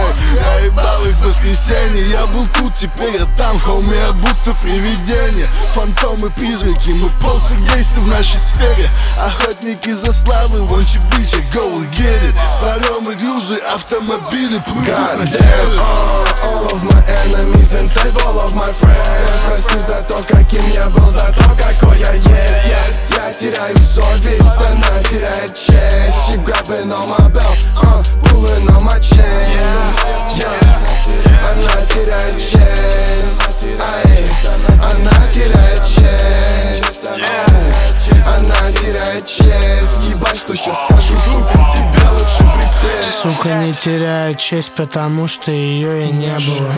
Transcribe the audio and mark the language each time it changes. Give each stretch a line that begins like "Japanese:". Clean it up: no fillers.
Russian: Я ебал их в воскресенье. Я был тут, теперь я там, хоуми, я будто привидение. Фантомы, призраки, мы полтергейсты в нашей сфере. Охотники за славы,
English: won't you be here, go and get it.
Russian: Паромы, грузы, автомобили, плывут на север.
English: All of my enemies and save all of my friends.
Russian: Прости за то, каким я был, за то, какой я есть. Я теряю совесть, она теряет честь.
English: She grabbing on my belt, pulling on my chain.
Russian: Она теряет честь, ай, она теряет честь. Она теряет честь, ебать, что сейчас скажу, сука, тебе лучше присесть. Сука не теряет честь, потому что ее и не было.